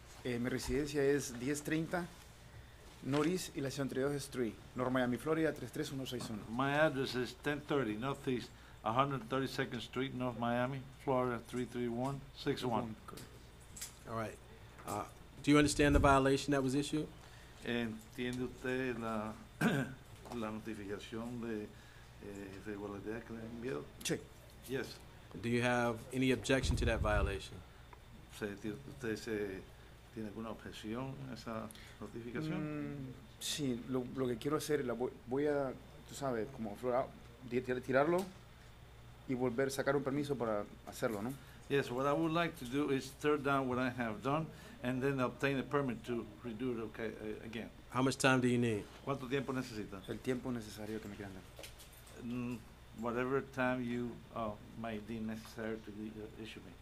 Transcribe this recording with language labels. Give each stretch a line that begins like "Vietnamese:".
Spanish: Mi residencia es 1030 Norris y la 132 Street, North Miami, Florida, 33161.
English: My address is 1030 Northeast 132nd Street, North Miami, Florida, 33161. All right. Do you understand the violation that was issued?
Spanish: Entiende usted la notificación de irregularidad que le envió? Sí.
English: Yes. Do you have any objection to that violation?
Spanish: ¿Usted tiene alguna objeción a esa notificación? Sí. Lo que quiero hacer, voy a, tú sabes, como tirarlo. Y volver a sacar un permiso para hacerlo, ¿no?
English: Yes, what I would like to do is tear down what I have done and then obtain a permit to redo it again. How much time do you need?
Spanish: ¿Cuánto tiempo necesita? El tiempo necesario que me quieran dar.
English: Whatever time you might deem necessary to issue me.